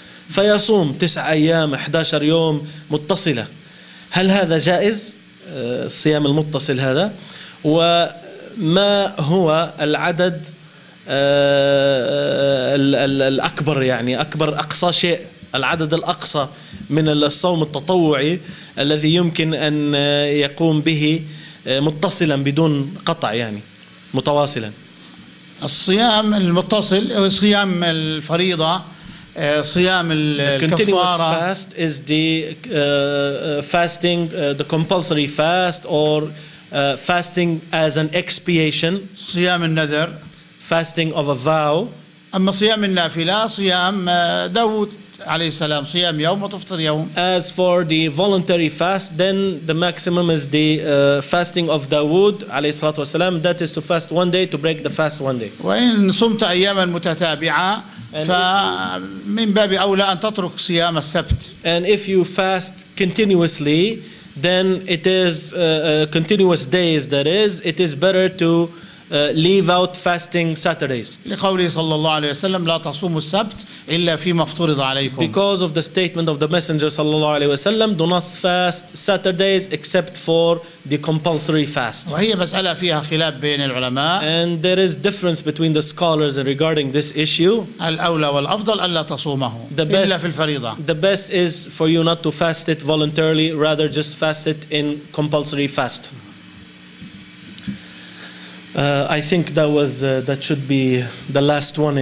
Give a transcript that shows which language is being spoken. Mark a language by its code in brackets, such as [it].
[ar] فيصوم 9 أيام 11 يوم متصلة، هل هذا جائز الصيام المتصل هذا؟ وما هو العدد الأكبر، يعني أكبر أقصى شيء، العدد الأقصى من الصوم التطوعي الذي يمكن أن يقوم به متصلا بدون قطع، يعني متواصلا؟ الصيام المتصل هو صيام الفريضة، صيام الكفارة. [en] The continuous fast is the fasting, the compulsory fast or fasting as an expiation. [ar] صيام النذر. [en] Fasting of a vow. [ar] أما صيام النافلة صيام داود عليه السلام، صيام يوم وتفطر يوم. [en] As for the voluntary fast, then the maximum is the fasting of Dawood [ar] عليه الصلاة والسلام. [en] That is to fast one day, to break the fast one day. [ar] وإن صمت أياما متتابعة فمن باب أولى أن تترك صيام السبت. [en] And if you fast continuously, then it is continuous days, that is, it is better to leave out fasting Saturdays. [ar] لقوله صلى الله عليه وسلم لا تصوموا السبت إلا فيما افترض عليكم. [en] Because of the statement of the Messenger [ar] صلى الله عليه وسلم, [en] do not fast Saturdays except for the compulsory fast. [ar] وهي مسألة فيها خلاف بين العلماء. [en] And there is difference between the scholars regarding this issue. [ar] الأولى والأفضل ألا تصومه إلا في الفريضة. [en] The best is for you not to fast it voluntarily, rather just fast it in compulsory fast. I think that was that should be the last one.